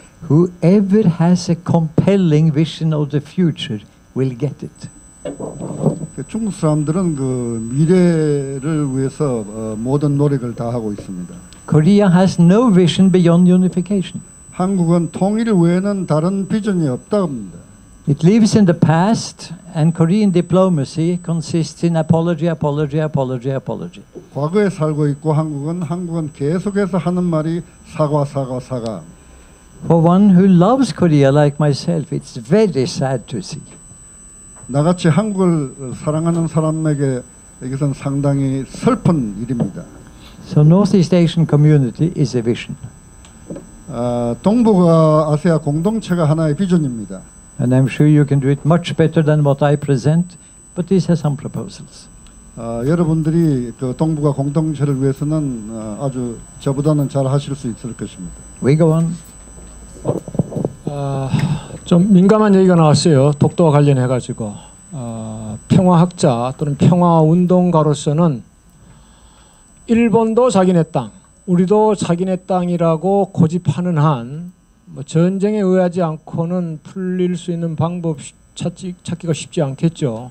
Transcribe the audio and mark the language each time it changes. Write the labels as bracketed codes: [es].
[en] Whoever has a compelling vision of the future will get it. [ko] 중국 사람들은 그 미래를 위해서 모든 노력을 다 하고 있습니다. [en] Korea has no vision beyond unification. [ko] 한국은 통일 외에는 다른 비전이 없답니다. [en] It lives in the past, and Korean diplomacy consists in apology, apology, apology, apology. [ko] 과거에 살고 있고 한국은 계속해서 하는 말이 사과, 사과, 사과. [en] For one who loves Korea like myself, it's very sad to see. [ko] 나같이 한국을 사랑하는 사람에게 이것은 상당히 슬픈 일입니다. [en] So Northeast Asian community is a vision. [ko] 동북아 아세아 공동체가 하나의 비전입니다. [en] And I'm sure you can do it much better than what I present, but this has some proposals. [ko] 여러분들이 그 동북아 공동체를 위해서는 아주 저보다는 잘 하실 수 있을 것입니다. [en] We go on. [ko] 좀 민감한 얘기가 나왔어요. 독도와 관련해가지고 평화학자 또는 평화운동가로서는 일본도 자기네 땅, 우리도 자기네 땅이라고 고집하는 한 뭐 전쟁에 의하지 않고는 풀릴 수 있는 방법 찾기가 쉽지 않겠죠.